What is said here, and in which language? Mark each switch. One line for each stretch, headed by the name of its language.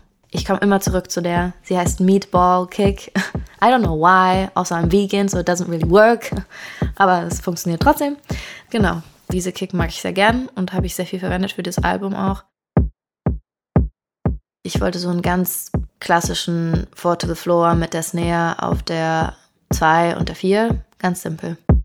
German: Ich komme immer zurück zu der. Sie heißt Meatball Kick.
English: I don't know why, außer I'm vegan, so it doesn't really work.
German: Aber es funktioniert trotzdem. Genau, diese Kick mag ich sehr gern und habe ich sehr viel verwendet für das Album auch. Ich wollte so einen ganz klassischen 4 to the floor mit der Snare auf der 2 und der 4. Ganz simpel.